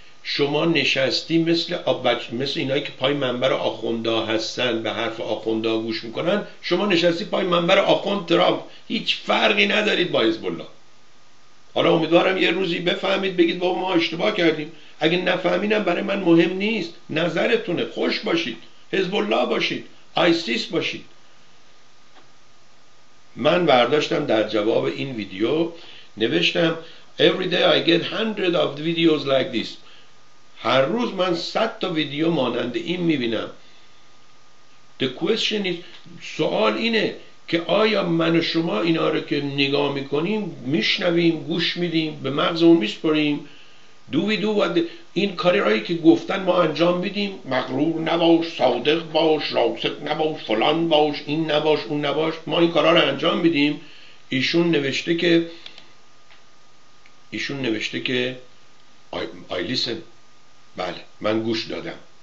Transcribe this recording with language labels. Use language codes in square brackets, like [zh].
[fa] شما نشستی مثل مثل اینایی که پای منبر آخوندا هستن به حرف آخوندا گوش میکنن، شما نشستی پای منبر آخوند ترامپ، هیچ فرقی ندارید با حزب الله. حالا امیدوارم یه روزی بفهمید بگید با ما اشتباه کردیم، اگه نفهمینم برای من مهم نیست، نظرتونه، خوش باشید، حزب الله باشید، آیسیس باشید. من برداشتم در جواب این ویدیو نوشتم [en] Every day I get 100 of the videos like this. [fa] هر روز من 100 تا ویدیو مانند این میبینم. [en] The question is، [fa] سوال اینه که آیا من و شما اینا رو که نگاه میکنیم، میشنویم، گوش میدیم، به مغزمون میسپاریم؟ [en] Do we do what [fa] این کاری رایی که گفتن ما انجام میدیم؟ مغرور نباش، صادق باش، راست نباش، فلان باش، این نباش، اون نباش، ما این کارا رو انجام میدیم؟ ایشون نوشته که [en] I listen، [fa] بله من گوش دادم.